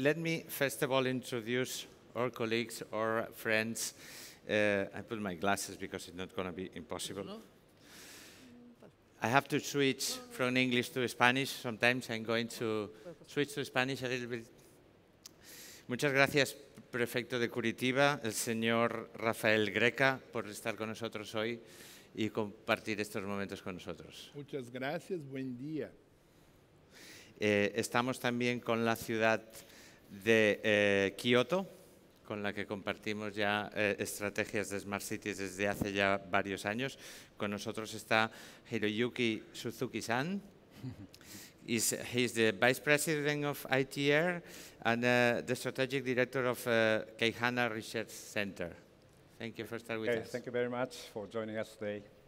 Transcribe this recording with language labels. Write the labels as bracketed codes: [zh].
[en] Let me first of all introduce our colleagues, our friends. I put my glasses because it's not going to be impossible. I have to switch from English to Spanish. Sometimes I'm going to switch to Spanish a little bit. [es] Muchas gracias, Prefeito de Curitiba, el señor Rafael Greca, por estar con nosotros hoy y compartir estos momentos con nosotros. Muchas gracias, buen día. Estamos también con la ciudad de Kyoto, con la que compartimos ya estrategias de Smart Cities desde hace ya varios años. Con nosotros está Hiroyuki Suzuki-san. [en] He's the Vice President of ITR and the Strategic Director of Keihana Research Center. Thank you for starting with us. Thank you very much for joining us today.